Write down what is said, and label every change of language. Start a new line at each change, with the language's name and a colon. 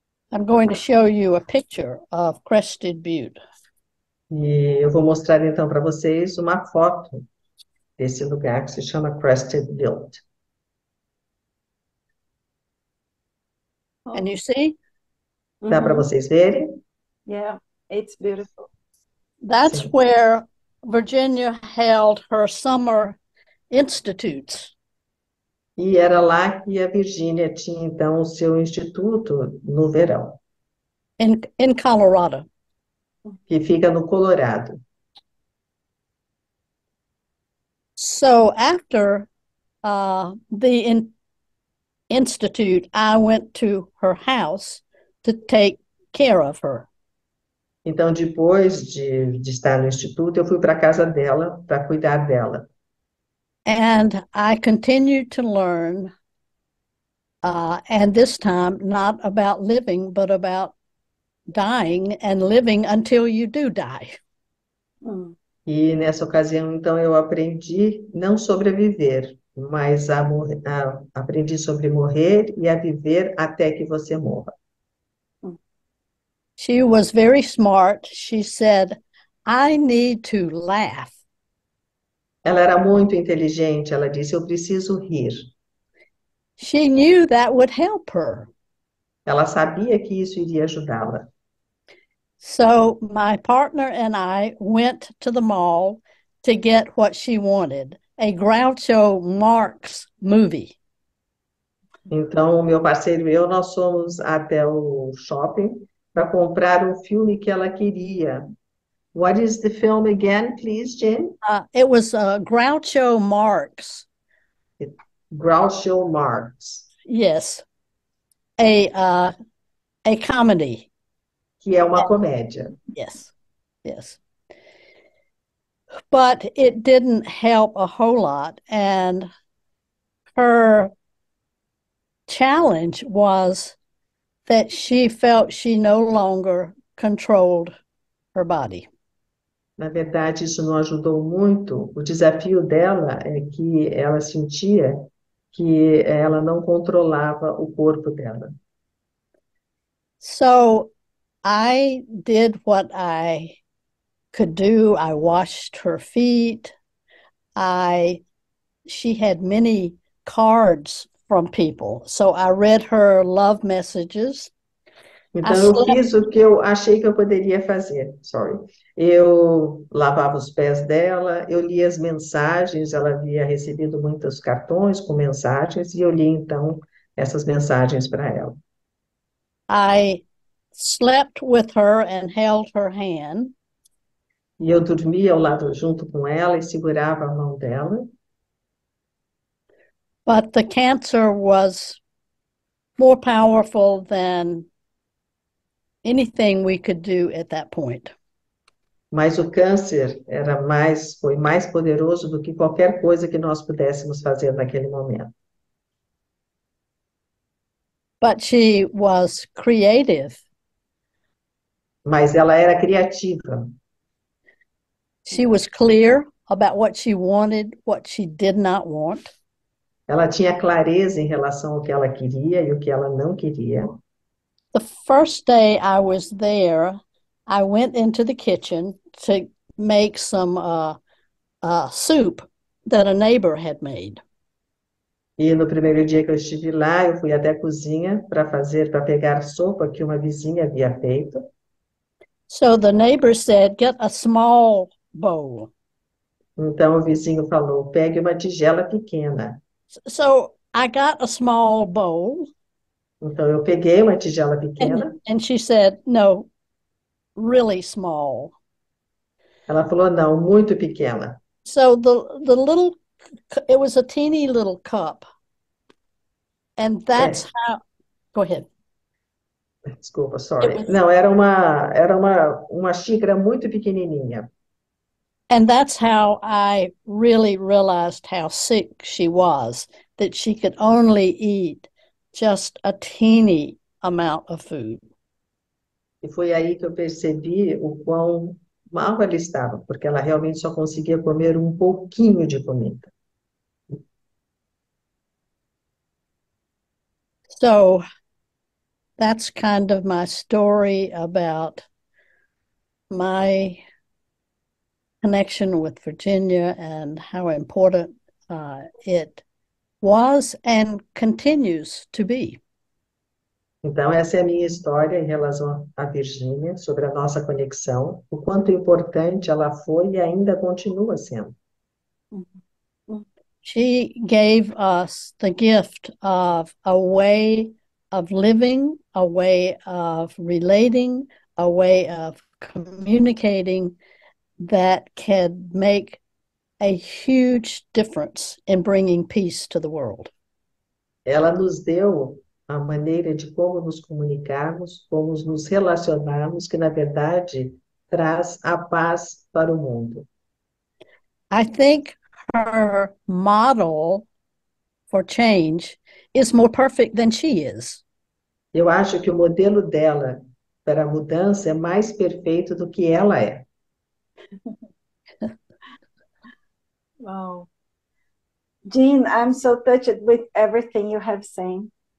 English: I'm going to show you a picture of Crested Butte.
Portuguese: E eu vou mostrar então para vocês uma foto desse lugar que se chama Crested Butte.
English: Can you see?
Portuguese: Dá para vocês verem?
English: Yeah, it's beautiful. That's
Portuguese: Sim.
English: where Virginia held her summer institutes.
Portuguese: E era lá que a Virgínia tinha então o seu instituto no verão,
English: In Colorado.
Portuguese: que fica no Colorado.
English: So after the institute, I went to her house to take care of her.
Portuguese: Então, depois de estar no instituto, eu fui para a casa dela para cuidar dela.
English: And I continued to learn, and this time not about living, but about dying and living until you do die.
Portuguese: E nessa ocasião, então, eu aprendi não sobre viver, mas aprendi sobre morrer e a viver até que você morra.
English: She was very smart. She said, I need to laugh.
Portuguese: Ela era muito inteligente, ela disse, eu preciso rir.
English: She knew that would help her.
Portuguese: Ela sabia que isso iria ajudá-la.
English: So my partner and I went to the mall to get what she wanted, a Groucho Marx movie.
Portuguese: Então, o meu parceiro e eu, nós fomos até o shopping para comprar o filme que ela queria.
English: What is the film again, please, Jim? It was a Groucho Marx. Groucho Marx, Yes, a comedy.
Portuguese: que é uma comédia.
English: Yes. But it didn't help a whole lot, and her challenge was that she felt she no longer controlled her body.
Portuguese: Na verdade, isso não ajudou muito. O desafio dela é que ela sentia que ela não controlava o corpo dela.
English: So I did what I could do. I washed her feet. She had many cards from people, so I read her love messages. I
Portuguese: Então, eu
English: slept.
Portuguese: fiz o que eu achei que eu poderia fazer.
English: Sorry.
Portuguese: Eu lavava os pés dela, eu lia as mensagens, ela havia recebido muitos cartões com mensagens, e eu li então essas mensagens para ela.
English: I slept with her and held her hand.
Portuguese: E eu dormia ao lado junto com ela e segurava a mão dela.
English: But the cancer was more powerful than anything we could do at that point.
Portuguese: Mas o câncer foi mais poderoso do que qualquer coisa que nós pudéssemos fazer naquele momento.
English: But she was creative.
Portuguese: Mas ela era criativa.
English: She was clear about what she wanted, what she did not want.
Portuguese: Ela tinha clareza em relação ao que ela queria e o que ela não queria.
English: The first day I was there, I went into the kitchen to make some soup that a neighbor had made.
Portuguese: E no primeiro dia que eu estive lá, eu fui até a cozinha para fazer, para pegar sopa que uma vizinha havia feito.
English: So the neighbor said, get a small bowl.
Portuguese: Então o vizinho falou, pegue uma tigela pequena.
English: So I got a small bowl.
Portuguese: Então eu peguei uma tigela pequena.
English: And she said, no, really small.
Portuguese: Ela falou, não, muito pequena.
English: So the little, it was a teeny little cup. And that's how, go ahead.
Portuguese: Desculpa,
English: sorry.
Portuguese: Não, era uma xícara muito pequenininha.
English: And that's how I really realized how sick she was, that she could only eat just a teeny amount of food.
Portuguese: E foi aí que eu percebi o quão mal ela estava, porque ela realmente só conseguia comer um pouquinho de comida.
English: So that's kind of my story about my connection with Virginia and how important it was and continues to be.
Portuguese: Então, essa é a minha história em relação à Virgínia, sobre a nossa conexão, o quanto importante ela foi e ainda continua sendo.
English: She gave us the gift of a way of living, a way of relating, a way of communicating that can make a huge difference in bringing peace to the world.
Portuguese: Ela nos deu a maneira de como nos comunicarmos, como nos relacionarmos, que, na verdade, traz a paz para o mundo.
English: I think her model for change is more perfect than she is.
Portuguese: Eu acho que o modelo dela para a mudança é mais perfeito do que ela é.
English: Wow. Jean, I'm so touched with everything you have said.